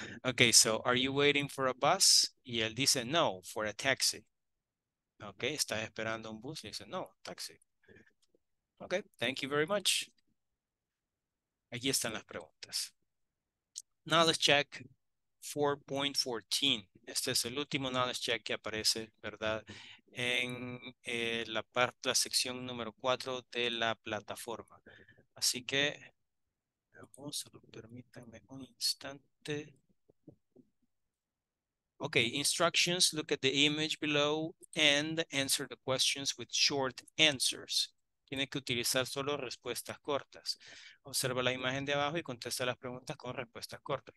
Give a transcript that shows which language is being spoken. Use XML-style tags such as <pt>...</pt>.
<en>Okay, so are you waiting for a bus?</en> <es>Y él dice no,</es> <en>for a taxi.</en> <es>Okay, ¿estás esperando un bus? Y dice no, taxi.</es> <en>Okay, thank you very much.</en> <es>Aquí están las preguntas.</es> <en>Now let's check 4.14.</en> <es>Este es el último knowledge check que aparece, ¿verdad? En la sección número 4 de la plataforma. Así que, solo permítanme un instante.</es> <en>Ok, instructions, look at the image below and answer the questions with short answers.</en> <es>Tiene que utilizar solo respuestas cortas. Observa la imagen de abajo y contesta las preguntas con respuestas cortas.</es>